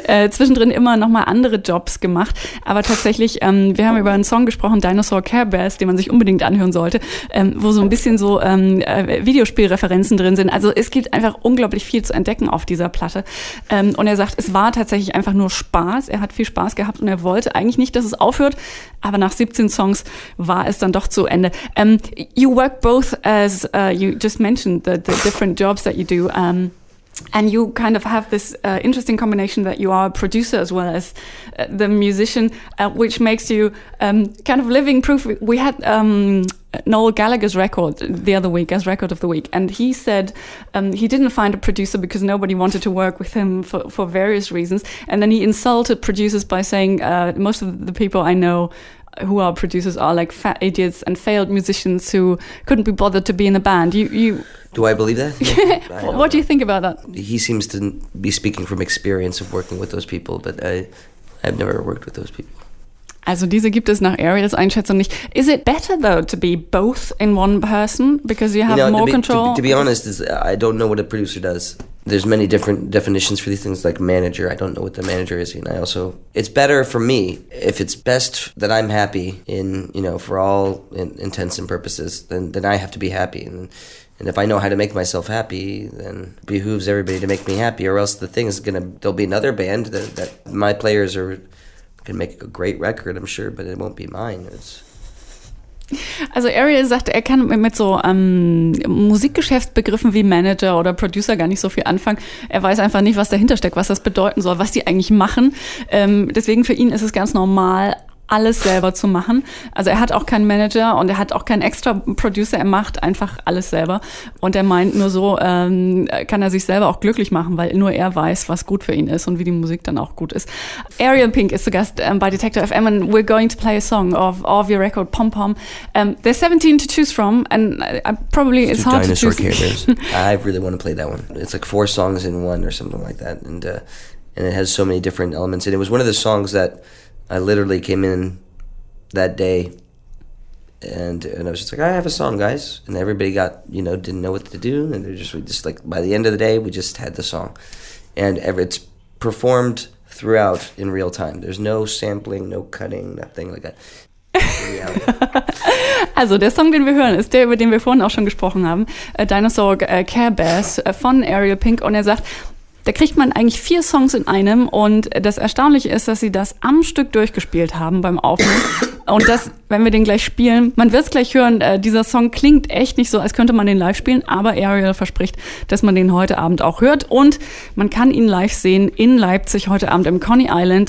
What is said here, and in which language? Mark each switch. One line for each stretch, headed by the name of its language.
German: zwischendrin immer noch mal andere Jobs gemacht, aber tatsächlich, wir haben über einen Song gesprochen, Dinosaur Care Bears, den man sich unbedingt anhören sollte, wo so ein bisschen so Videospielreferenzen drin sind. Also es gibt einfach unglaublich viel zu entdecken auf dieser Platte. Und er sagt, es war tatsächlich einfach nur Spaß. Er hat viel Spaß gehabt und er wollte eigentlich nicht, dass es aufhört. Aber nach 17 Songs war es dann doch zu Ende.
English: You work both as, you just mentioned the different jobs that you do. And you kind of have this interesting combination that you are a producer as well as the musician, which makes you kind of living proof. We had Noel Gallagher's record the other week as Record of the Week, and he said he didn't find a producer because nobody wanted to work with him for various reasons. And then he insulted producers by saying most of the people I know who are producers are like fat idiots and failed musicians who couldn't be bothered to be in the band. Do I believe that? What do you think about that? He seems to be speaking from experience of working with those people, but I've never worked with those people.
German: Also diese gibt es nach Ariel's Einschätzung nicht.
English: Is it better though to be both in one person because you have more control? To be honest, I don't know what a producer does. There's many different definitions for these things, like manager. I don't know what the manager is. And I also, it's better for me if it's best that I'm happy in, you know, for all intents and purposes, then I have to be happy. And if I know how to make myself happy, then it behooves everybody to make me happy, or else the thing is going to, there'll be another band that my players are can make a great record, I'm sure, but it won't be mine.
German: Also Ariel sagt, er kann mit so Musikgeschäftsbegriffen wie Manager oder Producer gar nicht so viel anfangen. Er weiß einfach nicht, was dahinter steckt, was das bedeuten soll, was die eigentlich machen. Deswegen für ihn ist es ganz normal, alles selber zu machen. Also er hat auch keinen Manager und er hat auch keinen extra Producer. Er macht einfach alles selber. Und er meint, nur so kann er sich selber auch glücklich machen, weil nur er weiß, was gut für ihn ist und wie die Musik dann auch gut ist. Ariel Pink ist zu Gast bei Detector FM,
English: and we're going to play a song of all your record, Pom Pom. There's 17 to choose from, and it's hard to choose. Dinosaur Care Bears. I really want to play that one. It's like 4 songs in one or something like that. And it has so many different elements. And it was one of the songs that I literally came in that day and I was just like, I have a song, guys. And everybody got, you know, didn't know what to do. And they're just, like, by the end of the day, we just had the song. And it's performed throughout in real time. There's no sampling, no cutting, nothing like that.
German: Also der Song, den wir hören, ist der, über den wir vorhin auch schon gesprochen haben. Dinosaur Care Bears von Ariel Pink. Und er sagt, da kriegt man eigentlich 4 Songs in einem, und das Erstaunliche ist, dass sie das am Stück durchgespielt haben beim Aufnehmen. Und das, wenn wir den gleich spielen, man wird es gleich hören, dieser Song klingt echt nicht so, als könnte man den live spielen, aber Ariel verspricht, dass man den heute Abend auch hört, und man kann ihn live sehen in Leipzig heute Abend im Coney Island.